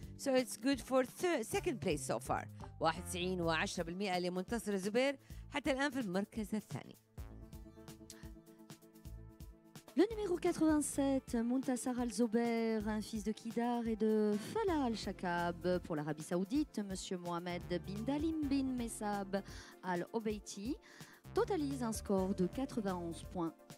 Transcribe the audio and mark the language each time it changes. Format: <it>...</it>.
<en>So it's good for second place so far.</en> <ar>91.10% لمنتصر الزبير حتى الآن في المركز الثاني.</ar> <fr>Le numéro 87, Muntasir al-Zubair, un fils de Kidar et de Falah al-Shaqab pour l'Arabie Saoudite, Monsieur Mohamed bin Dalim bin Messab al-Obeiti, totalise un score de 91.1.</fr>